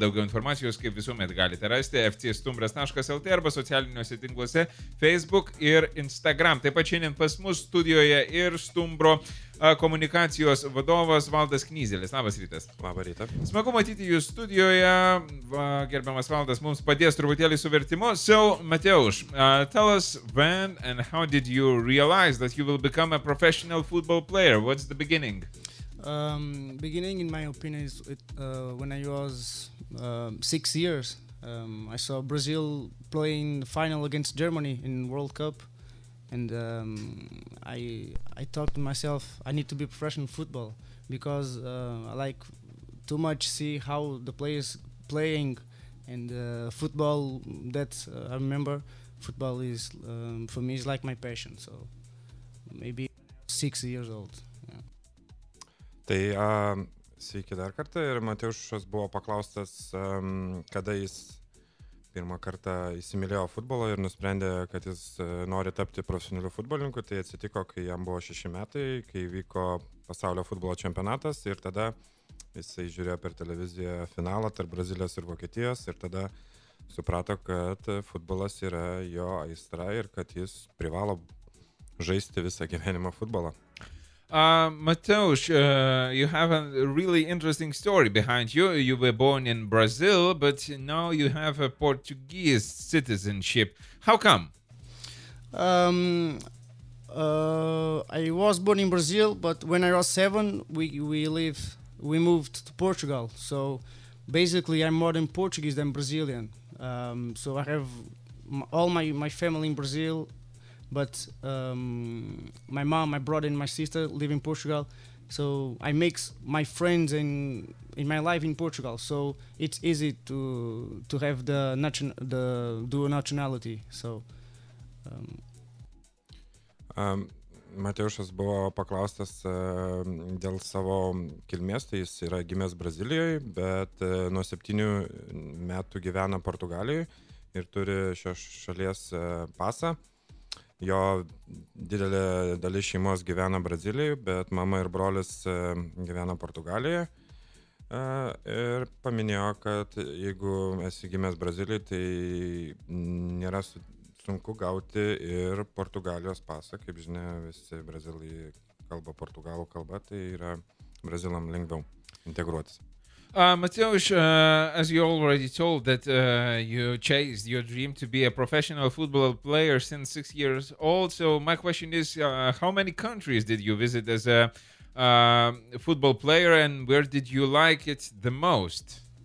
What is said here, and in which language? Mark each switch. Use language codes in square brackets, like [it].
[lt] Daugiau informacijos, kaip visuomet, galite rasti fcstumbras.lt arba socialiniuose tinkluose Facebook ir Instagram. Taip pat šiandien pas mus studijoje ir Stumbro komunikacijos vadovas Valdas Knys. Labas rytas. Labą rytą. Smagu matyti jūs studijoje. Va, gerbiamas Valdas mums padės truputėlį su vertimu. [en] So, Mateuš, tell us when and how did you realize that you will become a professional football player? What's the beginning? Beginning, in my opinion, is when I was 6 years. I saw Brazil playing the final against Germany in World Cup. And I thought to myself, I need to be professional football. Because I like too much see how the players playing and football that I remember football is for me is like my passion so maybe 6 years old yeah. [lt] Tai sveiki dar kartą ir Mateušas buvo paklaustas kada jis pirmą kartą įsimylėjo futbolą ir nusprendė kad jis nori tapti profesionaliu futbolininku tai atsitiko kai jam buvo 6 metai kai vyko pasaulio futbolo čempionatas ir tada jisai žiūrėjo per televiziją finalą tarp Brazilijos ir Vokietijos ir tada suprato, kad futbolas yra jo aistra ir kad jis privalo žaisti visą gyvenimą futbolą. [en] Mateuš, you have a really interesting story behind you. You were born in Brazil, but now you have a Portuguese citizenship. How come? I was born in Brazil, but when I was 7, we moved to Portugal. So basically, I'm more than Portuguese than Brazilian. So I have all my family in Brazil, but my mom, my brother, and my sister live in Portugal. So I mix my friends in my life in Portugal. So it's easy to have the dual nationality. So. [lt] Mateušas buvo paklaustas dėl savo kilmės, tai jis yra gimęs Brazilijoje, bet nuo 7 metų gyvena Portugalijoje ir turi šios šalies pasą. Jo didelė dalis šeimos gyvena Brazilijoje, bet mama ir brolis gyvena Portugalijoje. Ir paminėjo, kad jeigu esi gimęs Brazilijoje, tai nėra sunku gauti ir Portugalijos pasą, kaip žinia, visi Brazilai kalba portugalų kalba, tai yra Brazilam lengviau integruotis. [en] Mateuš, as you already told that you chased your dream to be a professional football player since 6 years old, so my question is, how many countries did you visit as a football player and where did you like it the most?